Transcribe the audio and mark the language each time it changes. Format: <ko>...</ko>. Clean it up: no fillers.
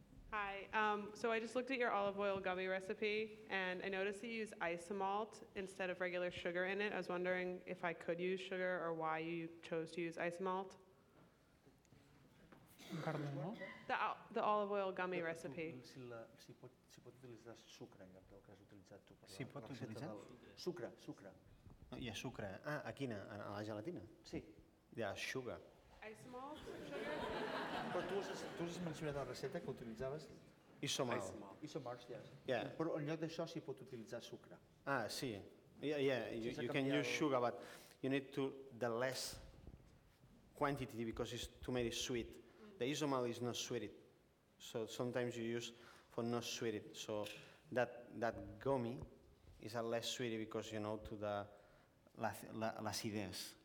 <en>Hi, so I just looked at your olive oil gummy recipe, and I noticed that you use isomalt instead of regular sugar in it. I was wondering if I could use sugar or why you chose to use isomalt. The olive oil gummy recipe.</en> <ca>Si pot utilitzar sucre en lloc del que has utilitzat tu. Si pot utilitzar? Sucre. Hi ha sucre. Ah, a quina? A la gelatina? Sí. Hi ha sugar. Isomalt, sugar. Però tu has mencionat la receta que utilitzaves?</ca> <en>Isomalt. Isomalt, yes. Yeah.</en> <ca>Però en lloc d'això s'hi pot utilitzar sucre.</ca> <en>Ah, sí. Yeah, yeah. You can use sugar, but you need to the less quantity because it's too many sweet. Mm-hmm. The isomalt is not sweet. So sometimes you use for not sweet. So that gummy is a less sweet because you know to the acidez.</en>